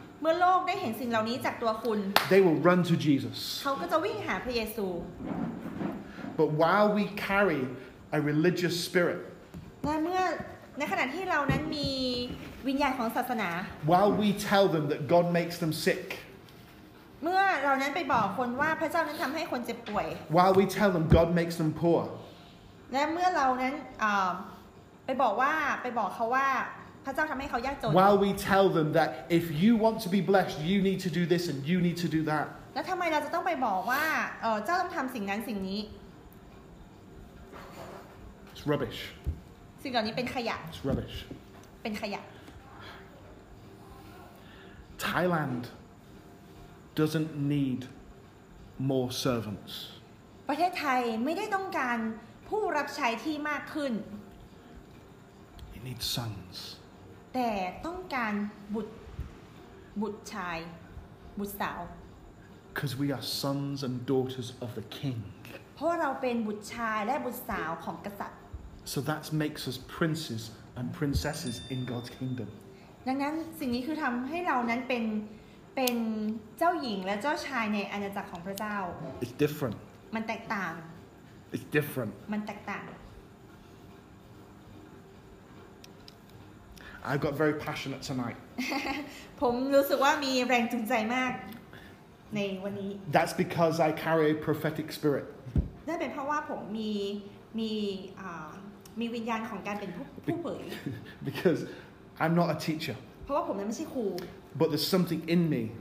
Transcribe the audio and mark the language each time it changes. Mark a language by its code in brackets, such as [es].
[th] เมื่อโลกได้เห็นสิ่งเหล่านี้จากตัวคุณ [en] They will run to Jesus. [th] เขาก็จะวิ่งหาพระเยซู [en] But while we carry a religious spirit. [th] และเมื่อในขณะที่เรานั้นมีวิญญาณของศาสนา [en] While we tell them that God makes them sick [th] เมื่อเรานั้นไปบอกคนว่าพระเจ้านั้นทำให้คนเจ็บป่วย [en] While we tell them God makes them poor [th] และเมื่อเรานั้นไปบอกว่าไปบอกเขาว่าพระเจ้าทำให้เขายากจน [en] While we tell them that if you want to be blessed you need to do this and you need to do that [th] แล้วทำไมเราจะต้องไปบอกว่าเจ้าต้องทำสิ่งนั้นสิ่งนี้ [en] It's rubbish [th] สิ่งเหล่านี้เป็นขยะ [en] It's rubbish [th] เป็นขยะ [en] Thailandoesn't need more servants. [th] ประเทศไทยไม่ได้ต้องการผู้รับใช้ที่มากขึ้น [en] It needs sons. [th] แต่ต้องการบุตรบุตรชายบุตรสาว [en] Because we are sons and daughters of the king. [th] เพราะเราเป็นบุตรชายและบุตรสาวของกษัตริย์ [en] So that makes us princes and princesses in God's kingdom. [th] ดังนั้นสิ่งนี้คือทำให้เรานั้นเป็นเป็นเจ้าหญิงและเจ้าชายในอาณาจักรของพระเจ้า [en] It's different [th] มันแตกต่าง [en] It's different [th] มันแตกต่าง [en] I got very passionate tonight [th] ผมรู้สึกว่ามีแรงจูงใจมากในวันนี้ [en] That's because I carry a prophetic spirit [th] นั่นเป็นเพราะว่าผมมีวิญญาณของการเป็นผู้เผย [en] Because I'm not a teacher [th] เพราะว่าผมนั้นไม่ใช่ครู [en] But there's something in me